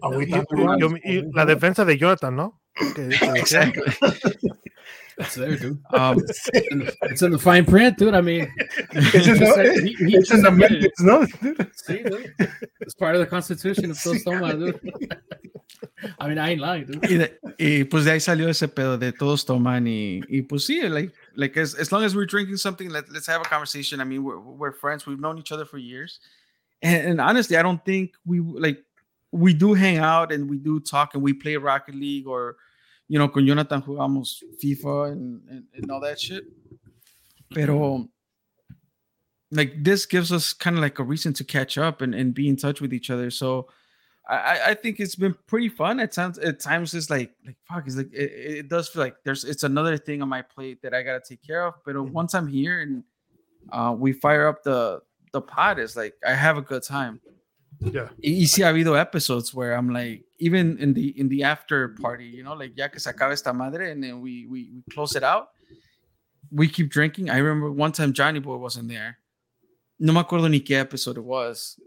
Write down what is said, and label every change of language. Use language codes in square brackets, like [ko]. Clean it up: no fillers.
[es] la defensa de Jonathan, ¿no? [en] Exactly. It's there, dude. It's in the fine print, dude. I mean, it's in the minutes, no? It's part of the Constitution of Todos Toman, dude. I mean, I ain't lying, dude. [es] Y pues de ahí salió ese pedo de Todos Toman. Y pues sí, [en] like as long as we're drinking something, let's have a conversation. I mean, we're friends. We've known each other for years. And honestly, I don't think we do hang out and we do talk and we play Rocket League or... You know, [es] con Jonathan jugamos [en] FIFA and all that shit. Pero, like, this gives us kind of like a reason to catch up and be in touch with each other. So, I think it's been pretty fun. At times it's like fuck, it's like, it does feel like it's another thing on my plate that I got to take care of. But once I'm here and we fire up the pod, it's like, I have a good time. Yeah. [es] Y si ha habido [en] episodes where I'm like, even in the after party, you know, like, [es] ya que se acaba esta madre, [en] and then we close it out, we keep drinking. I remember one time Johnny Boy wasn't there. [es] No me acuerdo ni qué episode [en] it was.